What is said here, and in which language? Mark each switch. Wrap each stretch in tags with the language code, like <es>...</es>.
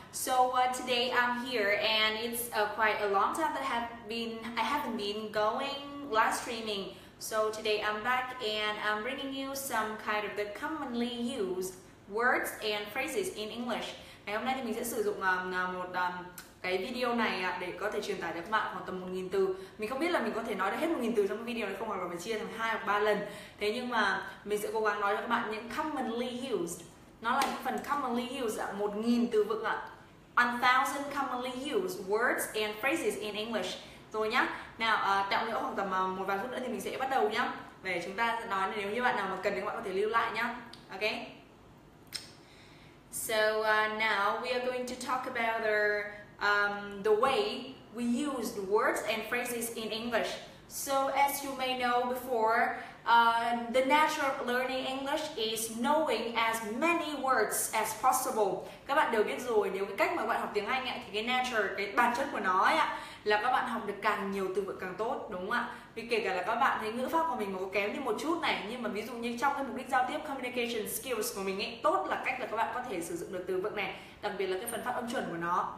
<en>So today I'm here, and it's quite a long time that I haven't been going live streaming. So today I'm back, and I'm bringing you some kind of the commonly used words and phrases in English.</en> <vi>Ngày hôm nay thì mình sẽ sử dụng cái video này để có thể truyền tải được mạng khoảng tầm 1.000 từ. Mình không biết là mình có thể nói được hết 1.000 từ trong cái video này không, hoặc là phải chia thành 2 hoặc 3 lần. Thế nhưng mà mình sẽ cố gắng nói cho các bạn những commonly used. Nó là phần commonly used, 1.000 từ vựng ạ.</vi> <en>1,000 commonly used words and phrases in English.</en> <vi>Rồi nhá. Nào, tạm nữa khoảng tầm 1 vài phút nữa thì mình sẽ bắt đầu nhá. Về chúng ta sẽ nói, nếu như bạn nào mà cần thì các bạn có thể lưu lại nhá.</vi> <en>Ok. So now we are going to talk about the way we used words and phrases in English. So as you may know before, the natural learning English is knowing as many words as possible.</en> <vi>Các bạn đều biết rồi, nếu cái cách mà bạn học tiếng Anh ấy, thì cái nature, cái bản chất của nó ấy, là các bạn học được càng nhiều từ vựng càng tốt, đúng không ạ? Vì kể cả là các bạn thấy ngữ pháp của mình mà có kém đi một chút này, nhưng mà ví dụ như trong cái mục đích giao tiếp</vi> <en>communication skills</en> <vi>của mình ấy, tốt là cách là các bạn có thể sử dụng được từ vựng này, đặc biệt là cái phần phát âm chuẩn của nó.</vi>